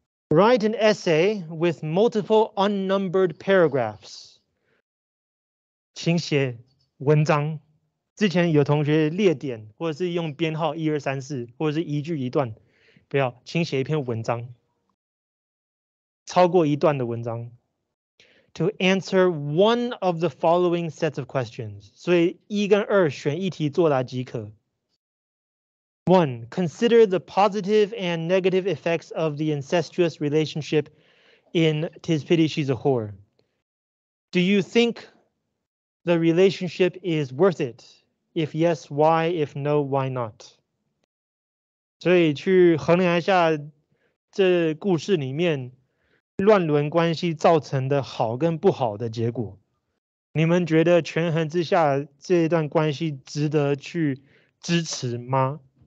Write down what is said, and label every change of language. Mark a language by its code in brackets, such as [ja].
[en] Write an essay with multiple unnumbered paragraphs. [zh] 请写文章。之前有同学列点，或者是用编号一二三四，或者是一句一段，不要，请写一篇文章，超过一段的文章。 [en] To answer one of the following sets of questions. [zh] 所以一跟二选一题作答即可。 [en] One, consider the positive and negative effects of the incestuous relationship in Tis Pity She's a Whore. Do you think the relationship is worth it? If yes, why? If no, why not? [zh] 所以去衡量一下这故事里面乱伦关系造成的好跟不好的结果。你们觉得权衡之下这段关系值得去支持吗？